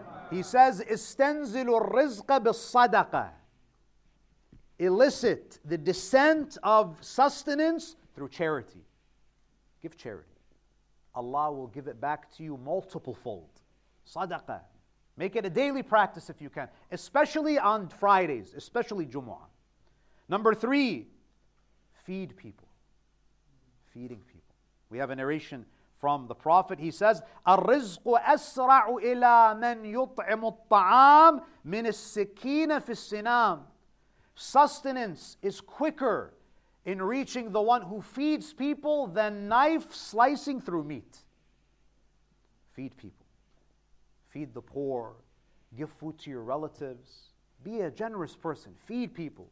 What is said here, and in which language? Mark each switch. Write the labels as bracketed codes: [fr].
[en] He says, [ar] استنزلوا الرزق بالصدقة. [en] Elicit the descent of sustenance through charity. Give charity. Allah will give it back to you multiple fold. Sadaqah. Make it a daily practice if you can. Especially on Fridays. Especially Jumu'ah. Number three, feed people. Feeding people. We have a narration from the Prophet, he says, [ar] الرزق أسرع إلى من يطعم الطعام من السكينة في السنام. [en] Sustenance is quicker in reaching the one who feeds people than knife slicing through meat. Feed people. Feed the poor. Give food to your relatives. Be a generous person. Feed people.